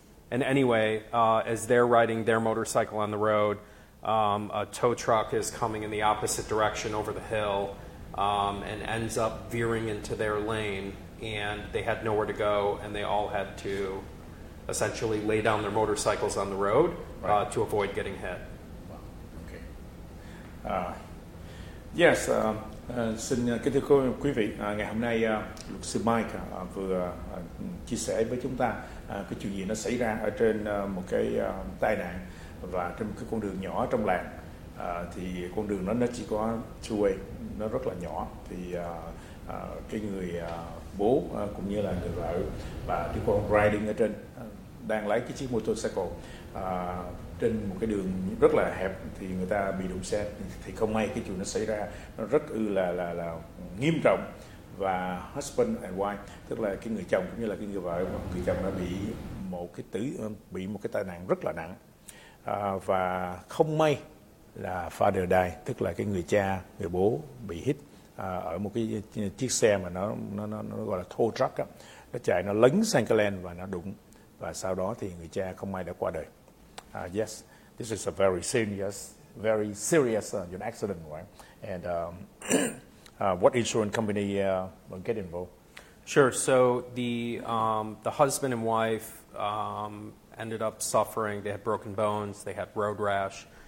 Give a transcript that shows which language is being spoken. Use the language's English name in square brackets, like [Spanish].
[English] And anyway, as they're riding their motorcycle on the road, a tow truck is coming in the opposite direction over the hill and ends up veering into their lane. And they had nowhere to go, and they all had to essentially lay down their motorcycles on the road, right, to avoid getting hit. Wow. Okay. [Vietnamese] Yes, xin kính thưa quý vị, ngày hôm nay luật sư Mike vừa chia sẻ với chúng ta cái chuyện gì nó xảy ra ở trên một cái tai nạn và trên một cái con đường nhỏ trong làng. Thì con đường nó chỉ có two way, nó rất là nhỏ. Thì cái người bố cũng như là người vợ và đứa con riding ở trên đang lái cái chiếc motorcycle trên một cái đường rất là hẹp, thì người ta bị đụng xe, thì không may cái chuyện nó xảy ra, nó rất là nghiêm trọng. Và [English] husband and wife, [Vietnamese] tức là cái người chồng cũng như là cái người vợ, người chồng đã bị một cái tai nạn rất là nặng, và không may là [English] father died, [Vietnamese] tức là cái người cha, người bố bị hit ở một cái chiếc xe mà nó gọi là tow truck á, nó chạy nó lấn sang cái lane và nó đụng, và sau đó thì người cha không may đã qua đời. [English] Yes, this is a very serious accident, right? And what insurance company will get involved? Sure. So the husband and wife ended up suffering. They had broken bones. They had road rash.